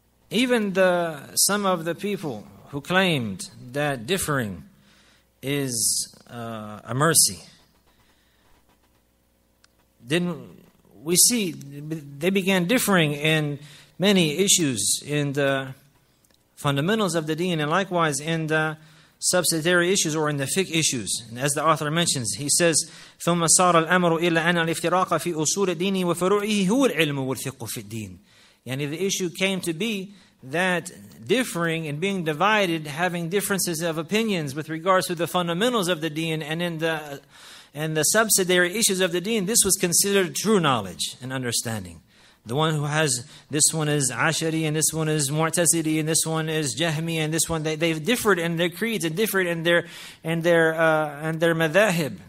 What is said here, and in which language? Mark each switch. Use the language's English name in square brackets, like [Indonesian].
[English] Even some of the people who claimed that differing is a mercy, then we see they began differing in many issues in the fundamentals of the deen, and likewise in the subsidiary issues or in the fiqh issues. [Arabic] And as the author mentions, he says, ثُمَّ صَارَ الْأَمْرُ إِلَّا أَنَّ الْإِفْتِرَاقَ فِي أُصُولِ الدِّينِ وَفُرُوعِهِ هُوَ الْعِلْمُ وَالْثِقُّ فِي الدِّينِ. [English] Yani the issue came to be that differing and being divided, having differences of opinions with regards to the fundamentals of the deen and in the subsidiary issues of the deen, this was considered true knowledge and understanding. The one who has, this one is Ashari, and this one is Mu'tazili, and this one is Jahmi, and this one, they've differed in their creeds, and differed in their madhahib.